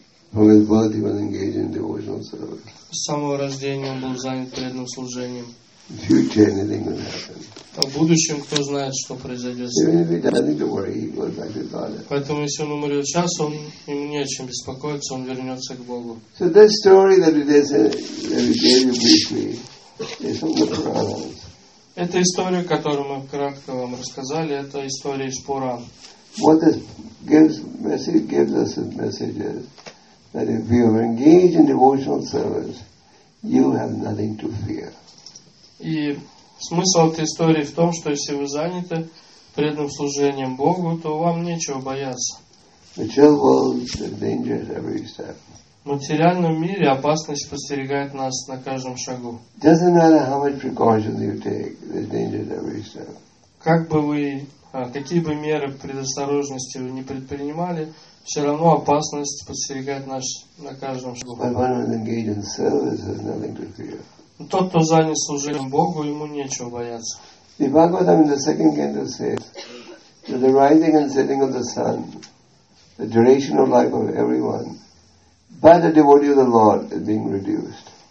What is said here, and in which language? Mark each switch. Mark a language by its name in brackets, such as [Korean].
[English] From his birth, he was engaged in devotional service. [Russian] С самого рождения он был занят преданным служением. [English] In future, anything will happen. [Russian] А в будущем кто знает, что произойдет. [English] Even if he doesn't worry, he goes back to God. [Russian] Поэтому если он умрет сейчас, он ему не о чем беспокоиться, он вернется к Богу. [English] So this story that we gave you briefly is from the Puranas. [Russian] Эта история, которую мы кратко вам рассказали, это история из Пуран. [English] What this gives us a message is that if you are engaged in devotional service, you have nothing to fear. [Russian] И смысл этой истории в том, что если вы заняты преданным служением Богу, то вам нечего бояться. [English] Material world is dangerous every step. [Russian] В материальном мире опасность подстерегает нас на каждом шагу. [English] Doesn't matter how much precautions you take, there's danger every step. [Russian] Как бы вы какие бы меры предосторожности вы не предпринимали, все равно опасность подстерегает нас на каждом шагу. Но тот, кто занят служением Богу, ему нечего бояться. [English] The Bhagavatam in the second canto says that the rising and setting of the sun, the duration of life of everyone, by the devotee of the Lord is being reduced.